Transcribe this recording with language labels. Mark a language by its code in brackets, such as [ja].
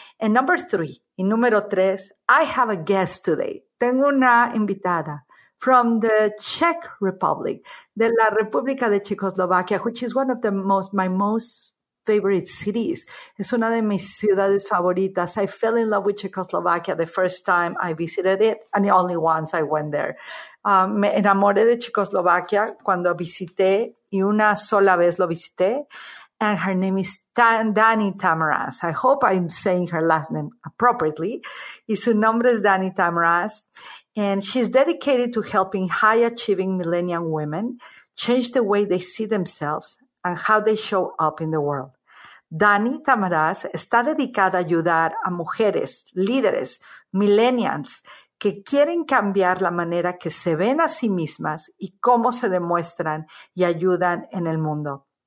[en] And number three, [es] y número tres, [en] I have a guest today. [es] Tengo una invitada [en] from the Czech Republic, [es] de la República de Checoslovaquia, [en] which is one of the most, my most favorite cities. [es] Es una de mis ciudades favoritas. [en] I fell in love with Czechoslovakia the first time I visited it, and the only once I went there. [es] Me enamoré de Checoslovaquia cuando visité, y una sola vez lo visité. [en] And her name is Dani Tamraz. I hope I'm saying her last name appropriately. [es] Y su nombre es Dani Tamraz. [en] And she's dedicated to helping high-achieving millennial women change the way they see themselves and how they show up in the world. [es] Dani Tamraz está dedicada a ayudar a mujeres, líderes, millennials, que quieren cambiar la manera que se ven a sí mismas y cómo se demuestran y ayudan en el mundo.